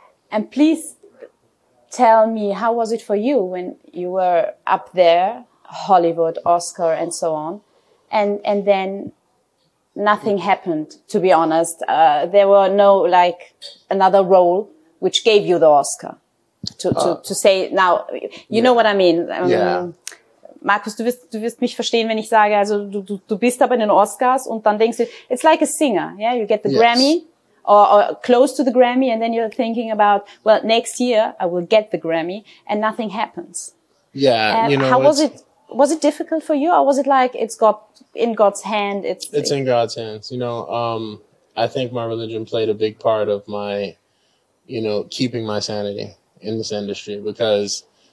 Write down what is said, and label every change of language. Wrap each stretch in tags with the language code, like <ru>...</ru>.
<en>And please tell me, how was it for you when you were up there, Hollywood, Oscar, and so on, and then nothing happened, to be honest. There were no, like, another role which gave you the Oscar. To say, now, you know what I mean.</en> <de>Markus, du wirst mich verstehen, wenn ich sage, also du bist aber in den Oscars und dann denkst du,</de> <en>it's like a singer, yeah? You get the Grammy or close to the Grammy, and then you're thinking about, well, next year I will get the Grammy, and nothing happens. Yeah, you know. How was it? Was it difficult for you, or was it like it's got in God's hand? It's in God's hands. You know, I think my religion played a big part of my, you know, keeping my sanity in this industry, because.</en>